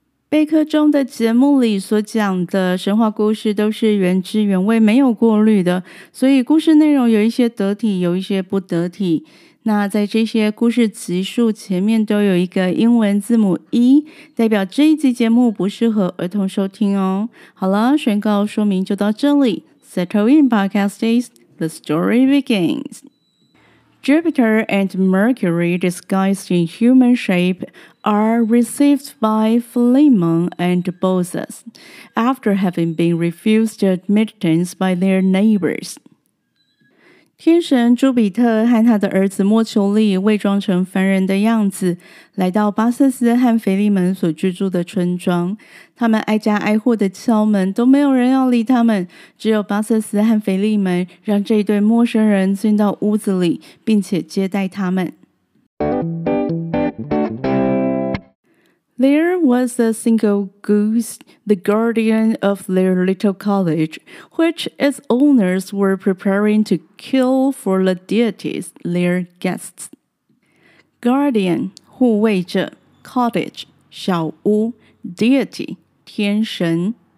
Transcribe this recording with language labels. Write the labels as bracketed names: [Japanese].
[Chinese] 备课中的节目里所讲的神话故事都是原汁原味没有过滤的，所以故事内容有一些得体，有一些不得体。那在这些故事集数前面都有一个英文字母 E， 代表这一集节目不适合儿童收听哦。好了，宣告说明就到这里。 [English] Settle in, podcasters, the story begins. Jupiter and Mercury disguised in human shape are received by Philemon and Balsas after having been refused admittance by their neighbors. [Chinese] 天神朱比特和他的儿子莫丘利伪装成凡人的样子，来到巴瑟斯和腓利门所居住的村庄。他们挨家挨户的敲门，都没有人要理他们，只有巴瑟斯和腓利门让这一对陌生人进到屋子里，并且接待他们。 [English] There was a single goose, the guardian of their little cottage, which its owners were preparing to kill for the deities, their guests. [Chinese] Guardian, 护卫者, cottage, 小屋, deity, 天神.